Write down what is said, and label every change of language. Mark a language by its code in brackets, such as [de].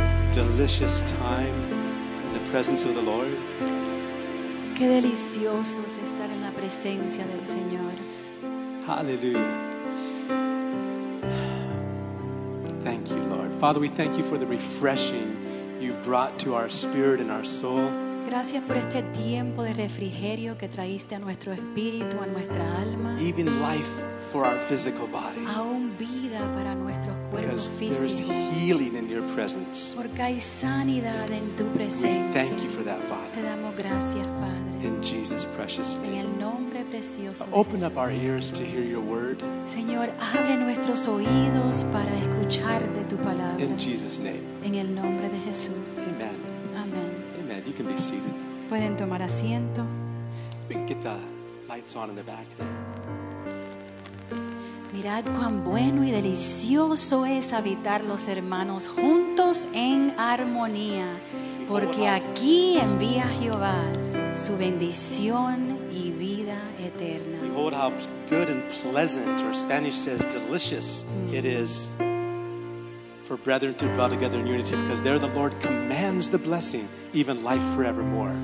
[en] Delicious time in the presence of the Lord. [es] Qué delicioso es estar en la presencia del Señor. [en] Hallelujah. Thank you, Lord. Father, we thank you for the refreshing you've brought to our spirit and our soul. [es] Gracias por este tiempo de refrigerio que traíste a nuestro espíritu, a nuestra alma. [en] Even life for our physical body. [es] Aún vida para nuestros cuerpos físicos. [en] Because there is healing in your presence. [es] Porque hay sanidad en tu presencia. [en] We thank you for that, Father. [es] Te damos gracias, Padre. [en] In Jesus' precious name. [es] En el nombre precioso de Jesús. [en] Open up our ears to hear your word. [es] Señor, abre nuestros oídos para escuchar de tu palabra. [en] In Jesus' name. [es] En el nombre de Jesús. [en] Amen. You can be seated. [es] Pueden tomar asiento. [en] We can get the lights on in the back there. [es] Mirad cuán bueno y delicioso es habitar los hermanos juntos en armonía, porque aquí envía Jehová su bendición y vida eterna. [en] Behold how good and pleasant, or Spanish says delicious, it is for brethren to dwell together in unity, because there the Lord commands the blessing, even life forevermore.